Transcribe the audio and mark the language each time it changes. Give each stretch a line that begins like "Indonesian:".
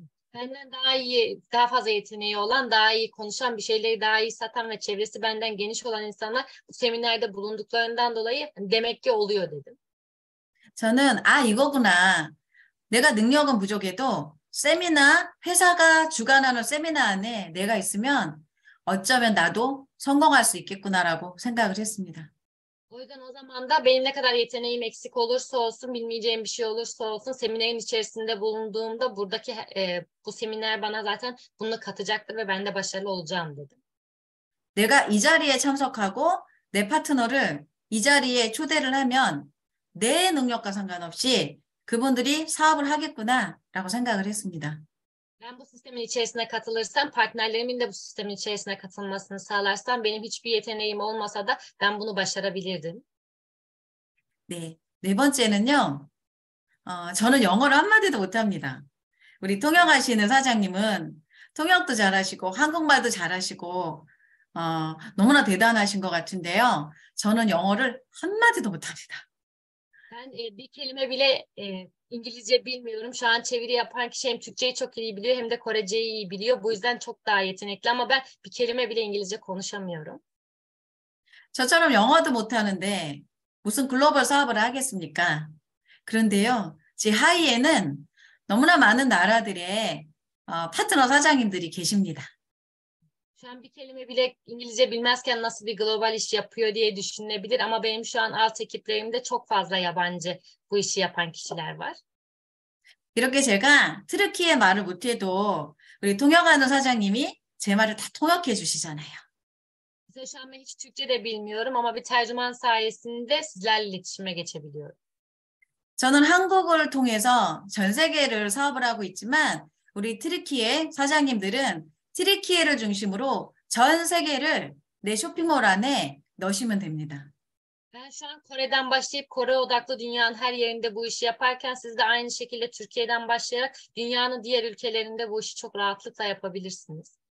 Turkish: Benden daha iyi, daha fazla yeteneği olan, daha iyi konuşan, bir şeyleri daha iyi satan ve çevresi benden geniş olan insanlar bu seminerde bulunduklarından dolayı demek ki oluyor dedim.
Korean: 저는 아 이거구나. 내가 능력은 부족해도 세미나 회사가 주관하는 세미나 안에 내가 있으면 어쩌면 나도 성공할 수 있겠구나라고 생각을 했습니다.
Turkish: O yüzden o zaman da benim ne kadar yeteneğim eksik olursa olsun, bilmeyeceğim bir şey olursa olsun, seminerin içerisinde bulunduğumda buradaki bu seminer bana zaten bunu katacaktır ve ben de başarılı olacağım dedim.
Korean: 내가 이 자리에 참석하고 내 파트너를 이 자리에 초대를 하면 내 능력과 상관없이 그분들이 사업을 하겠구나라고 생각을 했습니다.
Turkish: Ben bu sistemin içerisine katılırsam, partnerlerimin de bu sistemin içerisine katılmasını sağlarsam, benim hiçbir yeteneğim olmasa da ben bunu başarabilirdim.
Korean: 네. 네 번째는요. 저는 영어를 한마디도 못합니다. 우리 통역하시는 사장님은 통역도 잘하시고 한국말도 잘하시고 너무나 대단하신 것 같은데요. 저는 영어를 한마디도 못합니다.
Turkish: Ben bir kelime bile İngilizce bilmiyorum. Şu an çeviri yapan kişi hem Türkçeyi çok iyi biliyor hem de Koreceyi iyi biliyor. Bu yüzden çok daha yetenekli ama ben bir kelime bile İngilizce konuşamıyorum.
Korean: 저처럼 영어도 못하는데 무슨 글로벌 사업을 하겠습니까? 그런데요, 제 하위에는 너무나 많은 나라들의 파트너 사장님들이 계십니다.
Turkish: Şu an bir kelime bile İngilizce bilmezken nasıl bir global iş yapıyor diye düşünülebilir ama benim şu an alt ekiplerimde çok fazla yabancı bu işi yapan kişiler var.
Korean: 이렇게 제가 트르키예 말을 못해도 우리 통역하는 사장님이 제 말을 다 통역해 주시잖아요. 그래서
Turkish: şu an ben hiç Türkçe de bilmiyorum ama bir tercüman sayesinde sizlerle iletişime geçebiliyorum.
Korean: 저는 한국어를 통해서 전 세계를 사업을 하고 있지만 우리 트리키예 사장님들은 트리키예를 중심으로 전 세계를 내 쇼핑몰 안에 넣으시면 됩니다.
Turkish: Ben şu an Kore'den başlayıp Kore odaklı dünyanın her yerinde bu işi yaparken siz de aynı şekilde Türkiye'den başlayarak dünyanın diğer ülkelerinde bu işi çok rahatlıkla yapabilirsiniz.